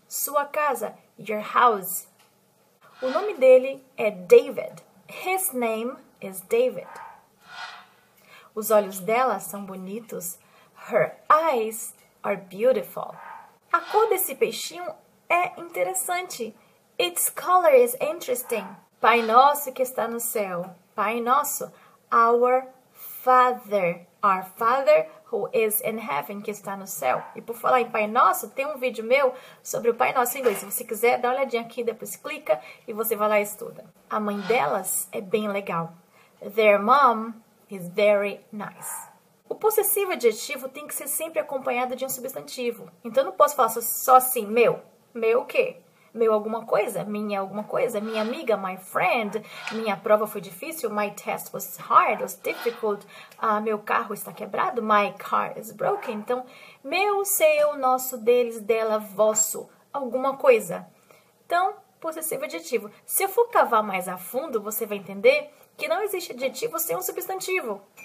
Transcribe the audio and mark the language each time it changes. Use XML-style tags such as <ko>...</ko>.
<pt>Sua casa,</pt> <en>your house.</en> <pt>O nome dele é David.</pt> <en>His name is David.</en> <pt>Os olhos dela são bonitos.</pt> <en>Her eyes are beautiful.</en> <pt>A cor desse peixinho é interessante.</pt> <en>Its color is interesting.</en> <pt>Pai nosso que está no céu. Pai nosso.</pt> <en>Our Father. Our Father who is in heaven,</en> <pt>que está no céu. E por falar em Pai Nosso, tem um vídeo meu sobre o Pai Nosso em inglês. Se você quiser, dá uma olhadinha aqui, depois clica e você vai lá e estuda. A mãe delas é bem legal.</pt> <en>Their mom is very nice.</en> <pt>O possessivo adjetivo tem que ser sempre acompanhado de um substantivo. Então, não posso falar só assim, meu. Meu o quê? Meu alguma coisa? Minha alguma coisa? Minha amiga?</pt> <en>My friend?</en> <pt>Minha prova foi difícil?</pt> <en>My test was hard, was difficult?</en> <pt>Meu carro está quebrado?</pt> <en>My car is broken?</en> <pt>Então, meu, seu, nosso, deles, dela, vosso, alguma coisa. Então, possessivo adjetivo. Se eu for cavar mais a fundo, você vai entender que não existe adjetivo sem um substantivo.</pt>